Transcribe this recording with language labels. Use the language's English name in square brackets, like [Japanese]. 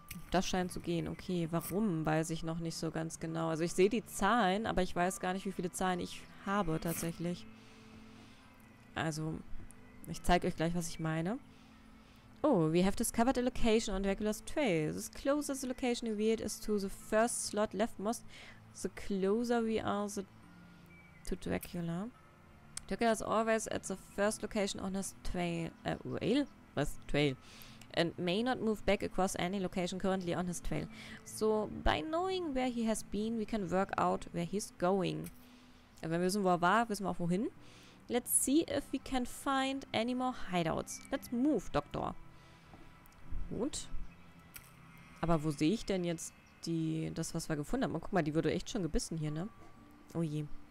[German] Das scheint zu gehen. Okay, warum, weiß ich noch nicht so ganz genau. Also ich sehe die Zahlen, aber ich weiß gar nicht, wie viele Zahlen ich habe tatsächlich. Also, ich zeige euch gleich, was ich meine. [English] Oh, we have discovered a location on Dracula's trail. The closer the location revealed is to the first slot leftmost, the closer we are to Dracula. Dracula is always at the first location on his trail. Rail? [German] Was? [English] Trail. And may not move back across any location currently on his trail. So, by knowing where he has been, we can work out where he's going. [German] Also, wenn wir wissen, wo er war, wissen wir auch wohin. [English] Let's see if we can find any more hideouts. Let's move, [German] Doktor. Gut. Aber wo sehe ich denn jetzt die, das, was wir gefunden haben? Oh, guck mal, die wurde echt schon gebissen hier, ne? Oh je.